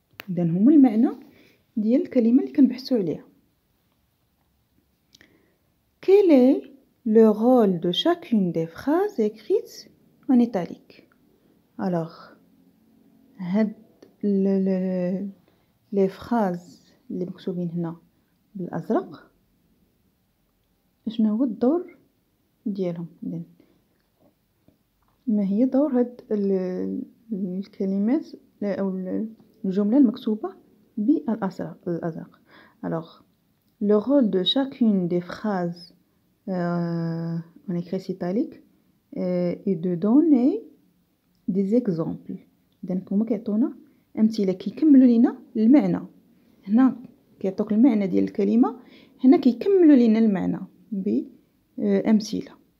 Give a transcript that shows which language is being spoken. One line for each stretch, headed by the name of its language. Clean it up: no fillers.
Arabic: إذن هما المعنى ديال الكلمة اللي كنبحثوا عليها.
French: Quel est le rôle de chacune des phrases écrites en italique? Alors, les phrases
Arabic: اللي مكتوبين هنا بالأزرق شنو هو الدور ديالهم؟ إذن ما هي دور هاد الكلمات أو الجملة المكتوبة بالأزرق؟
French: Alors, le rôle de chacune des phrases en écrit italique est de donner des exemples.
Arabic: إذن هما كيعطونا أمثلة كيكملوا لينا المعنى. هنا كيعطوك المعنى ديال الكلمة، هنا كيكملوا لينا المعنى بأمثلة.